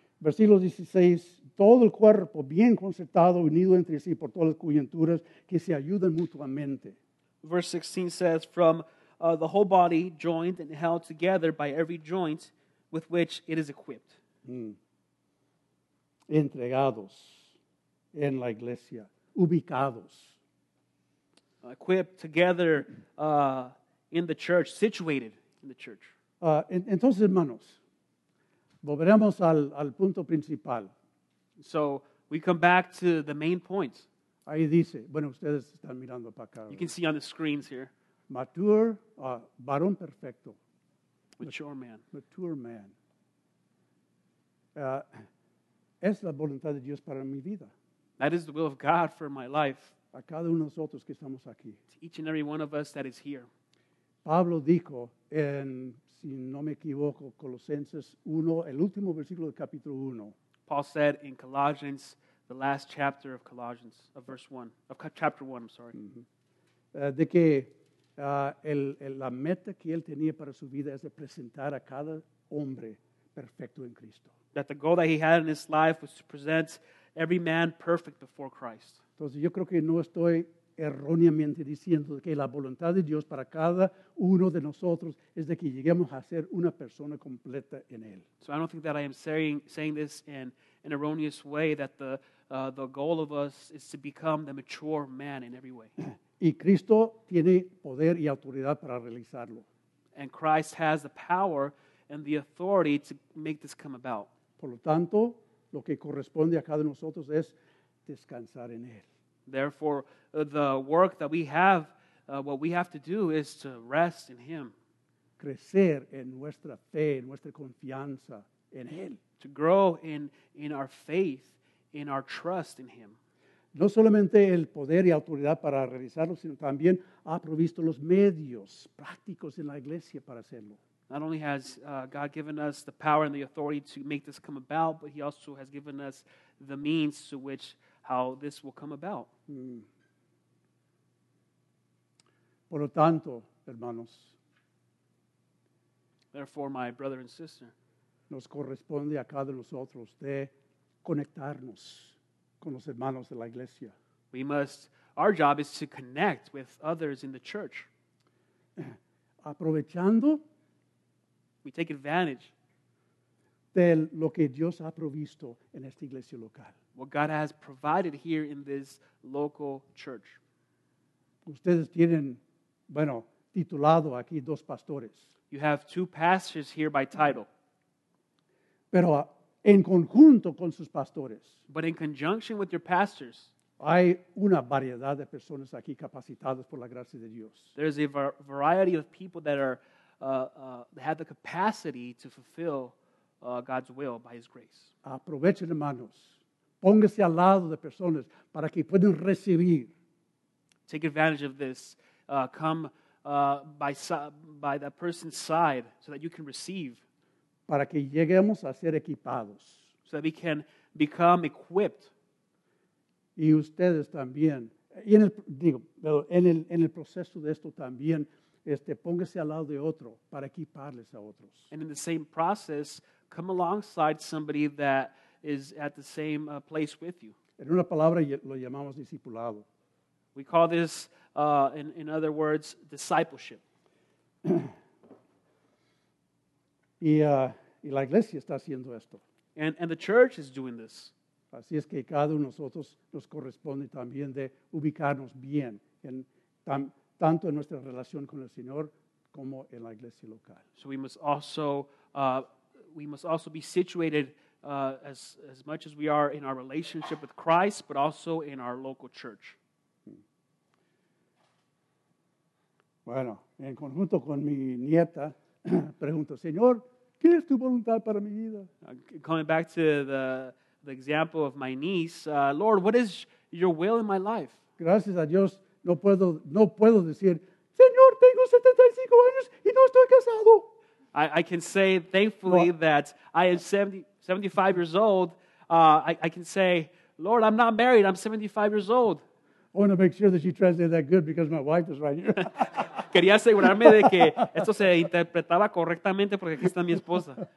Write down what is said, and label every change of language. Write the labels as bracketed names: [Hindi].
[Spanish] Versículo 16, todo el cuerpo bien concertado, unido entre sí por todas las coyunturas, que se ayudan mutuamente. [English] Verse 16 says, from the whole body joined and held together by every joint with which it is equipped. [Spanish] Entregados en la iglesia, ubicados. [English] Equipped together in the church, situated in the church. [Spanish] Entonces, hermanos, volveremos al punto principal. [English] So we come back to the main point. [Spanish] Ahí dice, bueno, ustedes están mirando para acá. [English] You can see on the screens here. Mature, [Spanish] varón perfecto. [English] Mature man. Mature man. [Spanish] Es la voluntad de Dios para mi vida. [English] That is the will of God for my life. [Spanish] A cada uno de nosotros que estamos aquí. [English] To each and every one of us that is here. [Spanish] Pablo dijo en, si no me equivoco, Colosenses 1, el último versículo del capítulo 1. [English] Paul said in Colossians, the last chapter of Colossians, of verse 1, of chapter 1, I'm sorry. Mm-hmm. [Spanish] De que la meta que él tenía para su vida es de presentar a cada hombre perfecto en Cristo. [English] That the goal that he had in his life was to present every man perfect before Christ. [Spanish] Entonces yo creo que no estoy erróneamente diciendo que la voluntad de Dios para cada uno de nosotros es de que lleguemos a ser una persona completa en él. [English] So I don't think that I am saying this in an erroneous way, that the goal of us is to become the mature man in every way. [Spanish] Y Cristo tiene poder y autoridad para realizarlo. [English] And Christ has the power and the authority to make this come about. [Spanish] Por lo tanto, lo que corresponde a cada nosotros es descansar en él. [English] Therefore, the work that we have, what we have to do is to rest in him. [Spanish] Crecer en nuestra fe, en nuestra confianza en él. [English] To grow in our faith, in our trust in him. [Spanish] No solamente el poder y autoridad para realizarlo, sino también ha provisto los medios prácticos en la iglesia para hacerlo. [English] Not only has God given us the power and the authority to make this come about, but he also has given us the means to which how this will come about. [Spanish] Por lo tanto, hermanos, [English] therefore, my brother and sister, [Spanish] nos corresponde a cada nosotros de conectarnos con los hermanos de la iglesia. [English] We must, our job is to connect with others in the church. [Spanish] Aprovechando. [English] We take advantage [Spanish] de lo que Dios ha provisto en esta iglesia local. [English] What God has provided here in this local church. [Spanish] Ustedes tienen, bueno, titulado aquí dos pastores. [English] You have two pastors here by title. [Spanish] Pero en conjunto con sus pastores. [English] But in conjunction with your pastors. [Spanish] Hay una variedad de personas aquí capacitadas por la gracia de Dios. [English] There's a variety of people that are have the capacity to fulfill God's will by His grace. [Spanish] Aprovechen, hermanos. Póngase al lado de personas para que puedan recibir. [English] Take advantage of this. Come by that person's side so that you can receive. [Spanish] Para que lleguemos a ser equipados. [English] So that we can become equipped. [Spanish] Y ustedes también. Y en el, digo, en el proceso de esto también, póngase al lado de otro para equiparles a otros. [English] And in the same process, come alongside somebody that is at the same place with you. [Spanish] En una palabra, lo llamamos discipulado. [English] We call this, in other words, discipleship. [Spanish] y la iglesia está haciendo esto. [English] And the church is doing this. [Spanish] Así es que cada uno de nosotros nos corresponde también de ubicarnos bien en tanto en nuestra relación con el Señor como en la iglesia local. [English] So we must also be situated as much as we are in our relationship with Christ, but also in our local church. [Spanish] Bueno, en conjunto con mi nieta, pregunto, Señor, ¿qué es tu voluntad para mi vida? [English] Coming back to the example of my niece, Lord, what is your will in my life? [Spanish] Gracias a Dios, no puedo decir, Señor, tengo 75 años y no estoy casado. [English] I can say, thankfully, well, that I am 75 years old. I can say, Lord, I'm not married. I'm 75 years old. I want to make sure that you translate that good because my wife is right here. [Spanish] Quería asegurarme de que esto se interpretaba correctamente porque aquí está mi esposa.